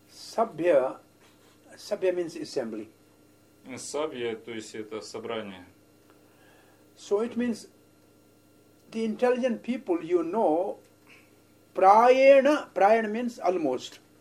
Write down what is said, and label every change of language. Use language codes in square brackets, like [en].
[en] Sabhya, sabhya means assembly. [ru] Sabhya, то есть это собрание. [en] So it means the intelligent people, you know, prayana, prayana means almost.